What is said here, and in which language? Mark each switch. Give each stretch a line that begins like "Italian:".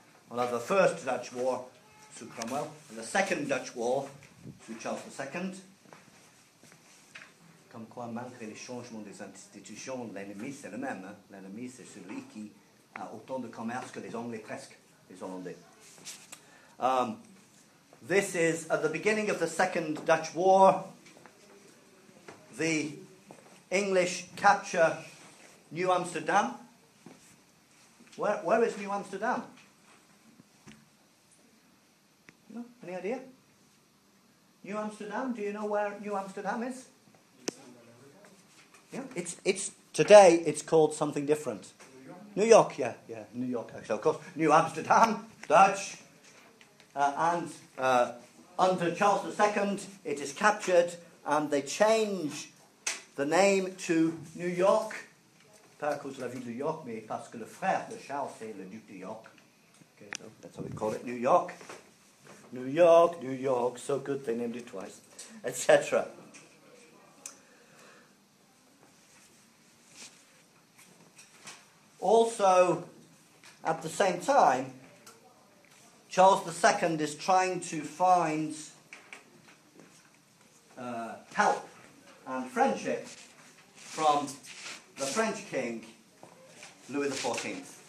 French: On a
English: the First Dutch War sous Cromwell. And the Second Dutch War sous Charles II.
French: Comme quoi, malgré les changements des institutions, l'ennemi, c'est le même. Hein? L'ennemi, c'est celui qui a autant de commerce que les Anglais, presque, les Hollandais.
English: This is at the beginning of the Second Dutch War. The English capture New Amsterdam. Where is New Amsterdam? No, any idea? New Amsterdam, do you know where New Amsterdam is? Yeah, it's today it's called something different. New York, New York. So of course, New Amsterdam, Dutch. And under Charles II, it is captured and they change the name to New York.
French: Pas à cause de la ville de York, mais parce que le frère de Charles, c'est le duc de York.
English: Okay, so that's how we call it, New York. New York, New York, so good they named it twice, etc. Also, at the same time, Charles II is trying to find help and friendship from the French king, Louis XIV.